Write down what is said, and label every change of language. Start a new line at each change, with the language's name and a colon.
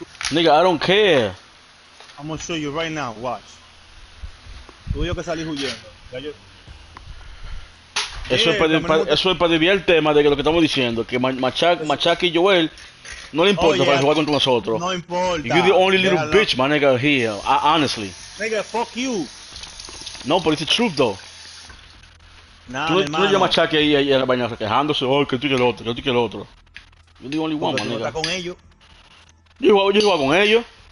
English: Nigga, I don't care. I'm gonna show you right now, watch.
Spanish: Tú y yo que salí huyendo. Eso es para desviar el tema de que lo que estamos diciendo, que Machaca y Joel no le importa para jugar contra nosotros. No importa.
English: You're the only little bitch, mae, nigga, here, honestly. Nigga, fuck you. No, but it's the truth, though. Nah,
Spanish: tú llamas a Chaki ahí en la baña quejándose, oh, que tú y el otro, que tú y el otro. Yo digo
English: only one,
Spanish: manega. Con ellos. Yo iba con ellos.